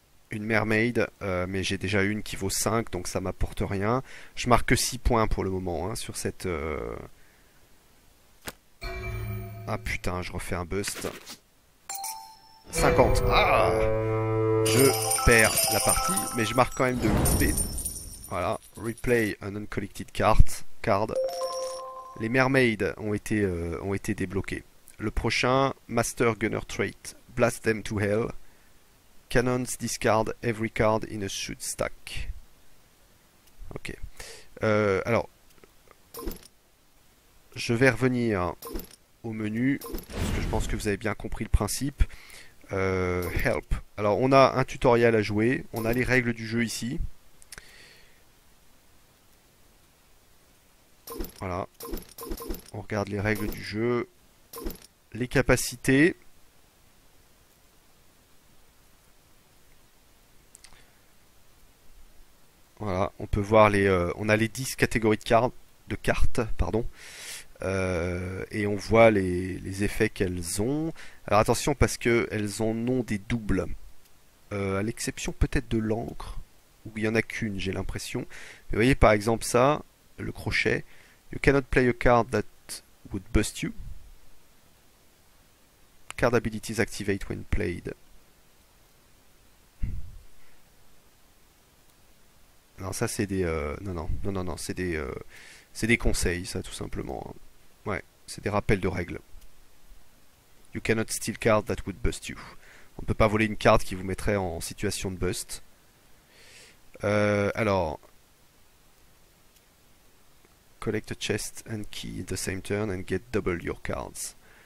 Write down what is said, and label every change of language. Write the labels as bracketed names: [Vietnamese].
[French] Une mermaid, mais j'ai déjà une qui vaut 5, donc ça m'apporte rien. Je marque 6 points pour le moment, hein, sur cette... Ah putain, je refais un bust. 50. Ah! Je perds la partie, mais je marque quand même de l'XP. Voilà. [English] Replay an uncollected card. [French] Les mermaids ont été débloquées. Le prochain, [English] Master Gunner Trait. Blast them to hell. Cannons discard every card in a suit stack. [French] Ok. Alors, je vais revenir au menu, parce que je pense que vous avez bien compris le principe. Help. Alors, on a un tutoriel à jouer. On a les règles du jeu ici. Voilà. On regarde les règles du jeu. Les capacités. Voilà, on peut voir les. On a les 10 catégories de cartes. Pardon. Et on voit les effets qu'elles ont. Alors attention parce qu'elles en ont des doubles. À l'exception peut-être de l'encre. Où il n'y en a qu'une, j'ai l'impression. Mais vous voyez par exemple ça, le crochet. [English] You cannot play a card that would bust you. Card abilities activate when played. [French] Non, ça c'est des. Non, non, non, non, non, c'est des conseils, ça tout simplement. Ouais, c'est des rappels de règles. [English] You cannot steal card that would bust you. [French] On ne peut pas voler une carte qui vous mettrait en situation de bust. Alors. [English] Collect a chest and key the same turn and get double your cards.